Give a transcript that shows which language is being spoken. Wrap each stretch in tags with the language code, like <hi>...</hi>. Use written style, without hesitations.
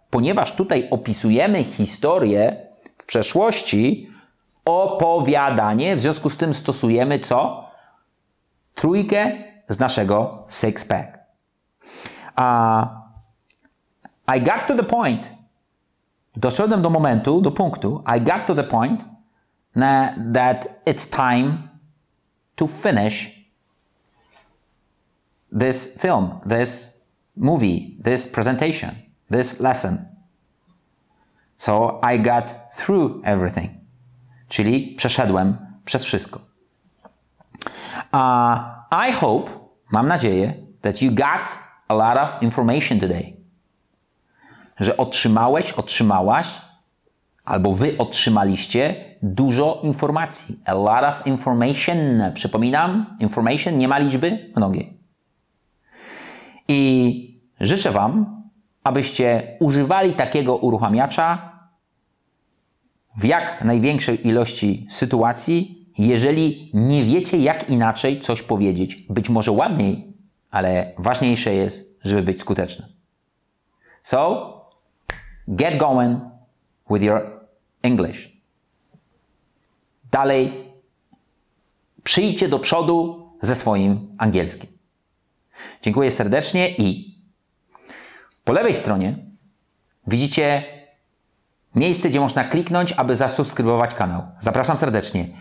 <pl>Ponieważ tutaj opisujemy historię w przeszłości, opowiadanie, w związku z tym stosujemy co? Trójkę z naszego six-pack.</pl> <en>I got to the point.</en> <pl>Doszedłem do momentu, do punktu.</pl> <en>I got to the point that it's time to finish this film, this movie, this presentation, this lesson. So I got through everything.</en> <pl>czyli przeszedłem przez wszystko.</pl> <en>I hope,</en> <pl>mam nadzieję,</pl> <en>that you got a lot of information today.</en> <pl>Że otrzymałeś, otrzymałaś, albo wy otrzymaliście dużo informacji.</pl> <en>A lot of information.</en> <pl>Przypominam, information nie ma liczby mnogiej. I życzę wam, abyście używali takiego uruchamiacza w jak największej ilości sytuacji, jeżeli nie wiecie, jak inaczej coś powiedzieć. Być może ładniej, ale ważniejsze jest, żeby być skuteczny.</pl> <en>So, get going with your English.</en> <pl>Dalej, przyjdźcie do przodu ze swoim angielskim. Dziękuję serdecznie i po lewej stronie widzicie miejsce, gdzie można kliknąć, aby zasubskrybować kanał. Zapraszam serdecznie.</pl>